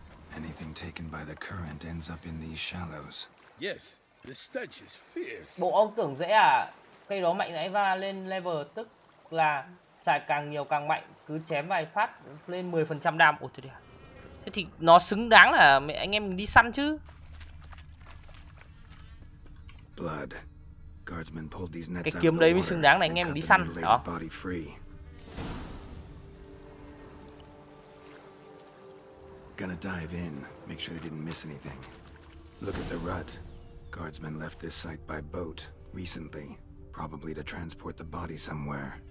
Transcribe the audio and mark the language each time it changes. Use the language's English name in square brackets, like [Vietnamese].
[English] Anything taken by the current ends up in these shallows. Yes, [Vietnamese] Bộ ông tưởng dễ à? Cây đó mạnh nãy va lên level, tức là xài càng nhiều càng mạnh, cứ chém vài phát lên 10% đam. Ủa thôi à? Thế thì nó xứng đáng là mẹ anh em mình đi săn chứ. [English] Blood. Guardsmen pulled these nets. [Vietnamese] Cái kiếm đấy mới xứng đáng là anh em mình đi săn đó. [English] Gonna dive in, make sure they didn't miss anything. Look at the rut. Guardsmen left this site by boat recently, probably to transport the body somewhere.